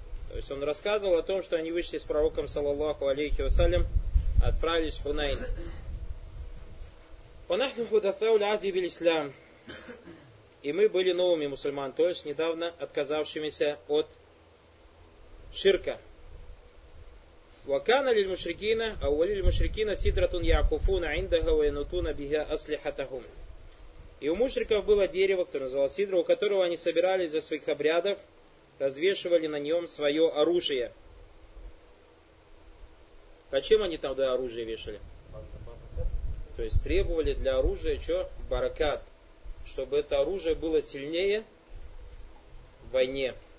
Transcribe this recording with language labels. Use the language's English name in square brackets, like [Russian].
[Russian] То есть он рассказывал о том, что они вышли с пророком, саллаллаху алейхи вассалям, отправились в Хунайн. [Arabic] Ванахну худафау ля'ахди биль-Ислам. [Russian] И мы были новыми мусульманами, то есть недавно отказавшимися от ширка. [Arabic] وكان للمشركين أو للمشركين سدرة يعكفون عندها وينطون بها أسلحتهم. [Russian] И у мушриков было дерево, которое называлось сидра, у которого они собирались за своих обрядов, развешивали на нем свое оружие. Зачем они там да оружие вешали? То есть требовали для оружия что? Баракат, чтобы это оружие было сильнее в войне.